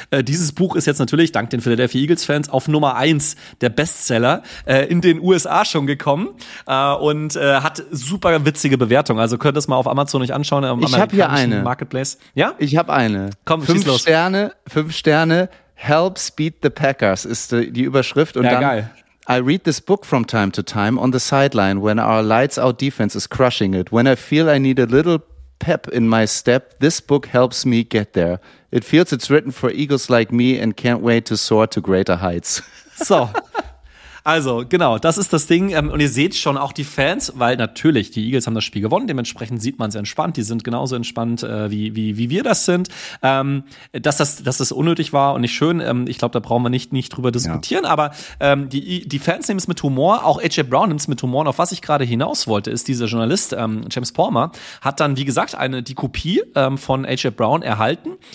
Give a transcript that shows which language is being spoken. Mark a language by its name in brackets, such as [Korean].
[German] dieses Buch ist jetzt natürlich, dank den Philadelphia Eagles Fans, auf Nummer 1 der Bestseller in den USA schon gekommen und hat super witzige Bewertung. Also könnt ihr es mal auf Amazon euch anschauen. Ich habe hier eine. Marketplace. Ja? Ich habe eine. Komm, schieß los. 5 Sterne. [English] Helps beat the Packers [German] ist die Überschrift. Und ja, dann, geil. [English] I read this book from time to time on the sideline when our lights out defense is crushing it. When I feel I need a little pep in my step, this book helps me get there. It feels it's written for Eagles like me and can't wait to soar to greater heights. [German] So. Also, genau, das ist das Ding. Und ihr seht schon auch die Fans, weil natürlich, die Eagles haben das Spiel gewonnen, dementsprechend sieht man es entspannt. Die sind genauso entspannt, wie wir das sind. Dass das unnötig war und nicht schön, ich glaube, da brauchen wir nicht drüber diskutieren. Ja. Aber die Fans nehmen es mit Humor, auch AJ Brown nimmt es mit Humor. Und auf was ich gerade hinaus wollte, ist dieser Journalist, James Palmer, hat dann, wie gesagt, die Kopie von AJ Brown erhalten.